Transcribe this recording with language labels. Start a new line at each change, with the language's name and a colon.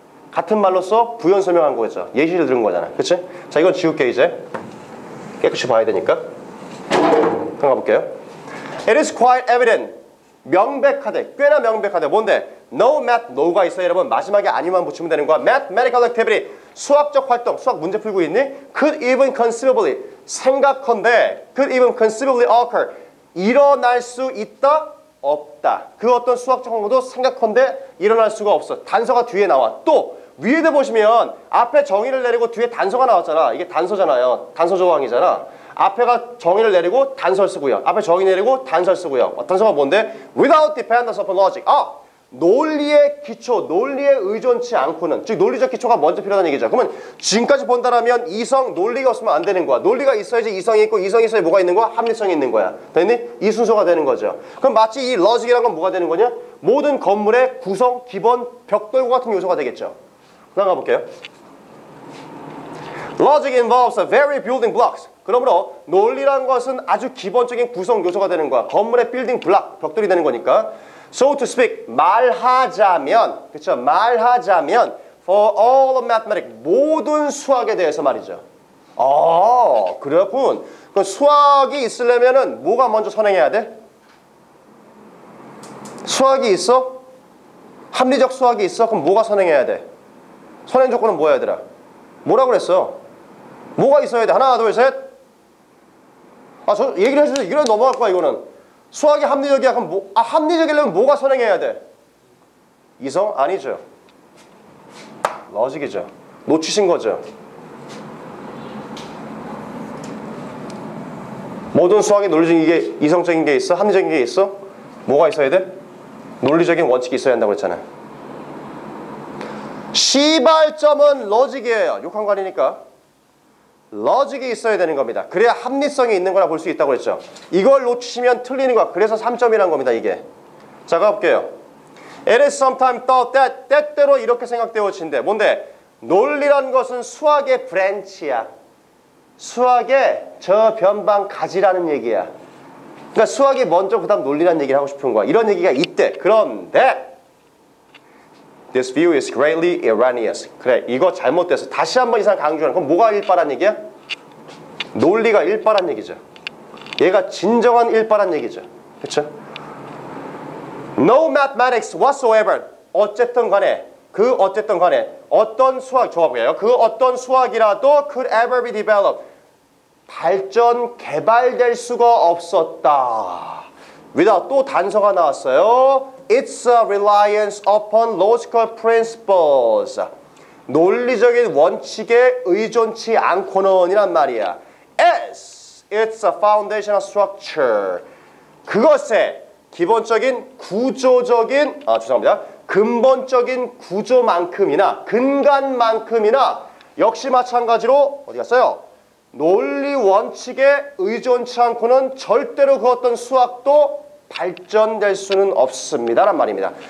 Korean: 같은 말로서 부연 설명한 거겠죠. 예시를 들은 거잖아. 그치? 자 이건 지울게 이제. 깨끗이 봐야 되니까. 한번 가볼게요.
English: It is quite evident.
Korean: 명백하대. 꽤나 명백하대. 뭔데? No math, no가 있어요 여러분. 마지막에 아니만 붙이면 되는 거야.
English: Mathematical activity.
Korean: 수학적 활동. 수학 문제 풀고 있니?
English: Could even conceivably.
Korean: 생각컨대.
English: Could even conceivably occur.
Korean: 일어날 수 있다? 없다. 그 어떤 수학적 공부도 생각컨대 일어날 수가 없어. 단서가 뒤에 나와. 또 위에도 보시면 앞에 정의를 내리고 뒤에 단서가 나왔잖아. 이게 단서잖아요. 단서 조항이잖아. 앞에가 정의를 내리고 단서를 쓰고요. 앞에 정의 내리고 단서를 쓰고요. 단서가 뭔데?
English: Without dependence upon logic.
Korean: 아! 논리의 기초, 논리에 의존치 않고는. 즉 논리적 기초가 먼저 필요하다는 얘기죠. 그러면 지금까지 본다라면 이성, 논리가 없으면 안 되는 거야. 논리가 있어야지 이성이 있고 이성이 있어야 뭐가 있는 거야? 합리성이 있는 거야. 됐니? 이 순서가 되는 거죠. 그럼 마치 이 러직이란 건 뭐가 되는 거냐? 모든 건물의 구성, 기본, 벽돌과 같은 요소가 되겠죠. 그럼 가볼게요.
English: Logic involves a very building blocks.
Korean: 그러므로 논리란 것은 아주 기본적인 구성 요소가 되는 거야. 건물의 빌딩 블록, 벽돌이 되는 거니까.
English: So to speak,
Korean: 말하자면,
English: 그렇죠?
Korean: 말하자면,
English: for all of mathematics,
Korean: 모든 수학에 대해서 말이죠. 아, 그렇군. 그럼 수학이 있으려면은 뭐가 먼저 선행해야 돼? 수학이 있어? 합리적 수학이 있어? 그럼 뭐가 선행해야 돼? 선행 조건은 뭐야, 얘들아? 뭐라고 그랬어? 뭐가 있어야 돼? 하나, 둘, 셋. 아, 저 얘기를 해주세요. 이거는 넘어갈 거야, 이거는. 수학이 합리적이야? 그럼 뭐, 아, 합리적이려면 뭐가 선행해야 돼? 이성? 아니죠. 러직이죠. 놓치신 거죠. 모든 수학이 논리적인 게, 이성적인 게 있어? 합리적인 게 있어? 뭐가 있어야 돼? 논리적인 원칙이 있어야 한다고 했잖아. 시발점은 러직이에요. 욕한 거 아니니까. 러직이 있어야 되는 겁니다. 그래야 합리성이 있는 거라 볼 수 있다고 했죠. 이걸 놓치시면 틀리는 거야. 그래서 3점이란 겁니다, 이게. 자, 가볼게요.
English: It is sometimes thought that
Korean: 때때로 이렇게 생각되어진대. 뭔데? 논리란 것은 수학의 브랜치야. 수학의 저 변방 가지라는 얘기야. 그러니까 수학이 먼저 그다음 논리란 얘기를 하고 싶은 거야. 이런 얘기가 있대.
English: 그런데 This view is greatly erroneous.
Korean: 그래, 이거 잘못됐어. 다시 한번 이상 강조하는. 그럼 뭐가 일빨한 얘기야? 논리가 일빨한 얘기죠. 얘가 진정한 일빨한 얘기죠. 그렇죠?
English: No mathematics whatsoever.
Korean: 어쨌든 간에, 그 어쨌든 간에 어떤 수학, 조합이에요. 그 어떤 수학이라도
English: could ever be developed.
Korean: 발전, 개발될 수가 없었다. Without, 또 단서가 나왔어요.
English: It's a reliance upon logical principles.
Korean: 논리적인 원칙에 의존치 않고는이란 말이야.
English: As it's a foundational structure.
Korean: 그것의 기본적인 구조적인 아 죄송합니다. 근본적인 구조만큼이나 근간만큼이나 역시 마찬가지로 어디 갔어요? 논리 원칙에 의존치 않고는 절대로 그 어떤 수학도 발전될 수는 없습니다란 말입니다.